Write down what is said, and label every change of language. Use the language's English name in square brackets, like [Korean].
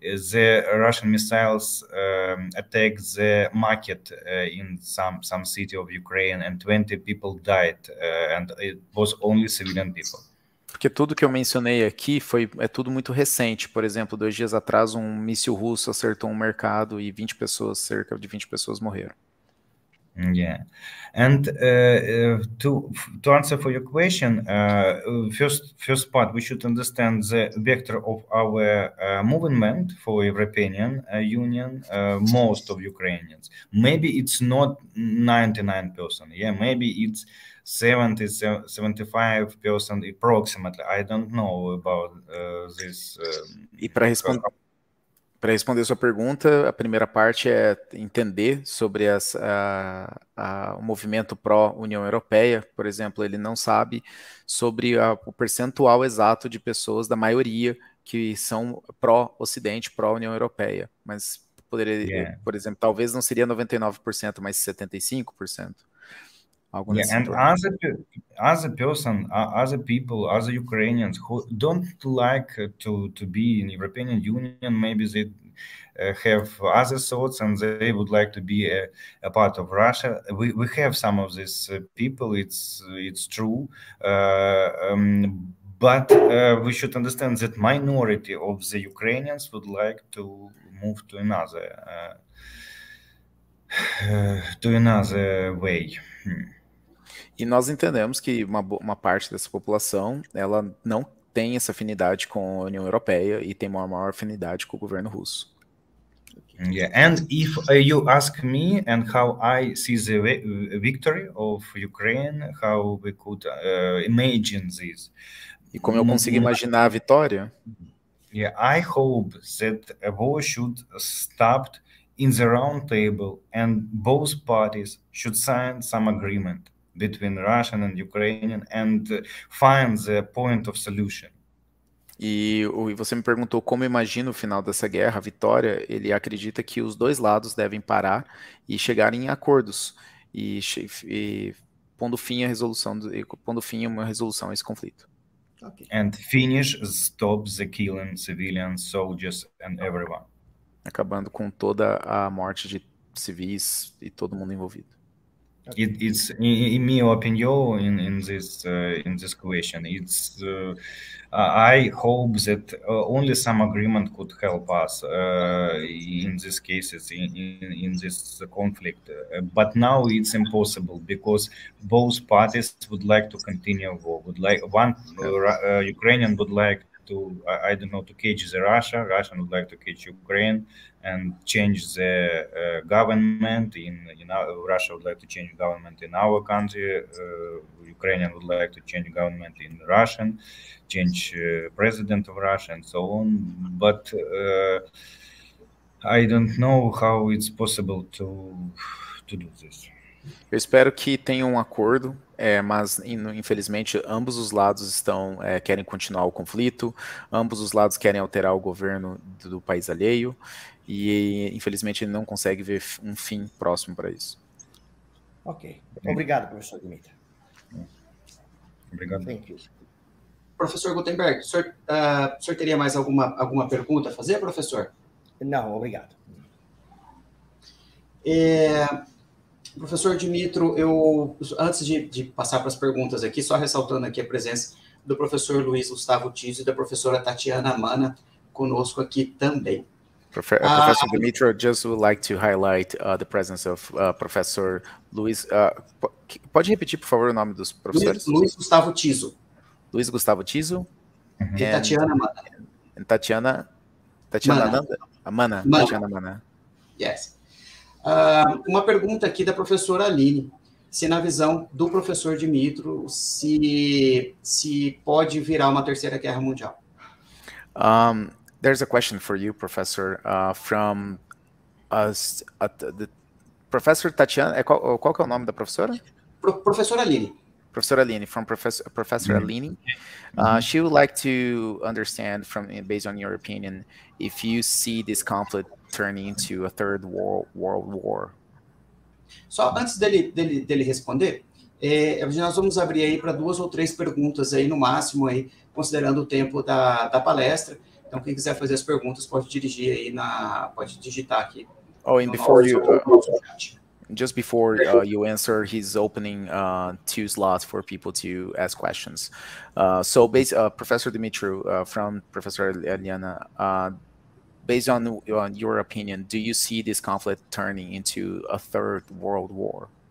[English] The Russian missiles attacked the market in some city of Ukraine, and 20 people died, and it was only civilian people. [Portuguese] Porque tudo que eu mencionei aqui é tudo muito recente. Por exemplo, 2 dias atrás, um míssil russo acertou um mercado e 20 pessoas, cerca de 20 pessoas morreram. [English] Yeah. And to answer for your question, first part, we should understand the vector of our movement for European Union, most of Ukrainians. Maybe it's not 99%. Yeah, maybe it's 75% approximately. I don't know about this. [Portuguese] E para responder sua pergunta, a primeira parte é entender sobre o movimento pró-União Europeia. Por exemplo, ele não sabe sobre o percentual exato de pessoas da maioria que são pró-Ocidente, pró-União Europeia. Mas poderia, por exemplo, talvez não seria 99%, mas 75%. [English] Yeah, and as a people, as a Ukrainians who don't like to be in European Union, maybe they have other thoughts and they would like to be a part of Russia. We have some of these people. It's true, but we should understand that minority of the Ukrainians would like to move to another way. [Portuguese] E nós entendemos que uma parte dessa população, ela não tem essa afinidade com a União Europeia e tem uma maior afinidade com o governo russo. [English] Yeah, and if you ask me and how I see the victory of Ukraine, how we could imagine this. [Portuguese] E como eu consigo imaginar a vitória? [English] Yeah, I hope that a war should stop in the round table and both parties should sign some agreement between Russian and Ukrainian and find the point of solution. [Portuguese] E você me perguntou como imagina o final dessa guerra, a vitória. Ele acredita que os dois lados devem parar e chegar em acordos e pondo fim à resolução a esse conflito. [English] Okay. And finish stop the killing civilians, soldiers and everyone. [Portuguese] Acabando com toda a morte de civis e todo mundo envolvido. [English] It's in my opinion in this question. It's I hope that only some agreement could help us in these cases in this conflict. But now it's impossible because both parties would like to continue war. Would like one Ukrainian would like to I don't know to catch the Russia. Russian would like to catch Ukraine. And change the government in our, Russia would like to change government in our country. Ukrainian would like to change government in Russian, change president of Russia and so on. But I don't know how it's possible to do this. [Portuguese] Eu espero que tenha um acordo, mas infelizmente ambos os lados querem continuar o conflito, ambos os lados querem alterar o governo do país alheio, e infelizmente ele não consegue ver um fim próximo para isso. Ok. Obrigado, professor Dmytro. Obrigado. [English] Thank you. [Portuguese] Professor Gutenberg, o senhor teria mais alguma pergunta a fazer, professor? Não, obrigado. Professor Dmytro, antes de passar para as perguntas aqui, só ressaltando aqui a presença do professor Luiz Gustavo Tiso e da professora Tatiana Mana conosco aqui também. [English] Professor Dmytro, just would like to highlight the presence of Professor Luiz. [Portuguese] Pode repetir, por favor, o nome dos professores? Luiz Gustavo Tiso. Luiz Gustavo Tiso. Uh-huh. E Tatiana Mana. Tatiana Mana. Mana. Mana. Tatiana Mana. [English] Yes. [Portuguese] Uma pergunta aqui da professora Aline, se na visão do professor Dmytro, se pode virar uma terceira guerra mundial. [English] There's a question for you, professor, from us, the professor Tatiana, [Portuguese] qual que é o nome da professora? Professora Aline. [English] Professor Aline, from Professor mm-hmm. Aline. She would like to understand from, based on your opinion, if you see this conflict turning into a third world war. [Portuguese] Só antes dele responder, nós vamos abrir aí para duas ou três perguntas aí no máximo, aí, considerando o tempo da palestra. Então, quem quiser fazer as perguntas, pode dirigir aí, pode digitar aqui. [English] Oh, and before you... Just before you answer, he's opening two slots for people to ask questions. Professor Dmytro, from Professor Eliana, based on your opinion, do you see this conflict turning into a third world war?